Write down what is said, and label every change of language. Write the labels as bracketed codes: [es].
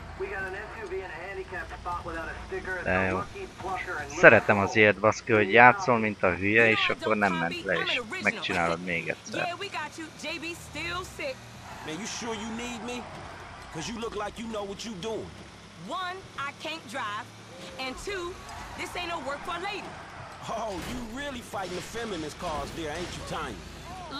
[en] We got an SUV in a handicap spot without a sticker and a lucky plucker and... [hu] Szeretem az ilyet, baszki, hogy játszol, mint a hülye, és akkor nem ment le, és megcsinálod még egyszer. [en] Yeah, we got you. JB still sick. Man, you sure you need me? Cause you look like you know what you doing. One, I can't drive. And two, this ain't no work for a lady. Oh, you really fighting the feminist cause there, ain't you, Tanya?